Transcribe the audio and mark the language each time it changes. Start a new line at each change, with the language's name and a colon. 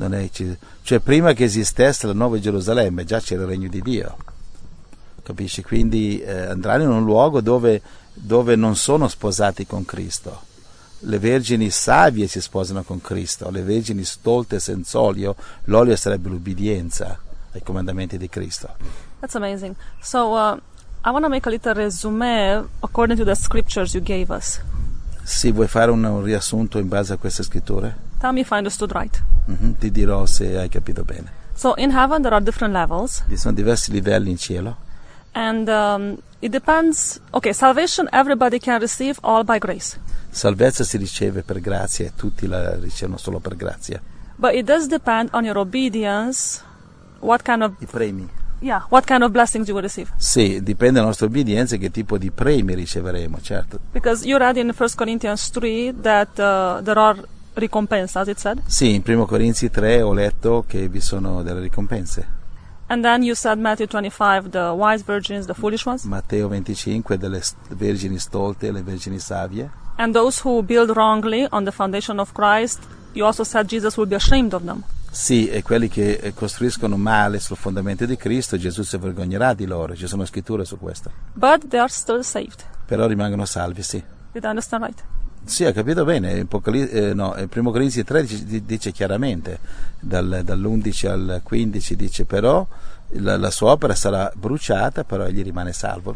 Italian: Cioè prima che esistesse la nuova Gerusalemme già c'era il regno di Dio, capisci? Quindi andranno in un luogo dove non sono sposati con Cristo. Le vergini savie si sposano con Cristo, le vergini stolte senza olio, l'olio sarebbe l'ubbidienza ai comandamenti di Cristo.
English: That's amazing. So I want to make a little resume according to the scriptures you gave us.
Italian: Sì, vuoi fare un riassunto in base a queste scritture?
English: Tell me if I understood right.
Italian: Mm-hmm, ti dirò se hai capito bene.
English: So in heaven there are different levels.
Italian: Ci sono diversi livelli in cielo.
English: And it depends. Okay, salvation everybody can receive all by grace.
Italian: Salvezza si riceve per grazia e tutti la ricevono solo per grazia.
English: But it does depend on your obedience. What kind of
Italian: i premi?
English: Yeah, what kind of blessings you will receive?
Italian: Sì, dipende dalla nostra obbedienza che tipo di premi riceveremo, certo.
English: Because you read in 1 Corinthians 3 that there are ricompensas, it said?
Italian: Sì, in 1 Corinzi 3 ho letto che vi sono delle ricompense.
English: And then you said Matthew 25, the wise virgins, the foolish ones.
Italian: Matteo 25, delle vergini stolte, le vergini savie.
English: And those who build wrongly on the foundation of Christ, you also said Jesus will be ashamed of them.
Italian: Sì, e quelli che costruiscono male sul fondamento di Cristo, Gesù si vergognerà di loro. Ci sono scritture su questo.
English: But they are still saved.
Italian: Però rimangono salvi, sì.
English: Did I understand right?
Italian: Sì, ho capito bene. Primo Corinzi 13 dice chiaramente, dall'11 al 15 dice, però la sua opera sarà bruciata, però egli rimane salvo.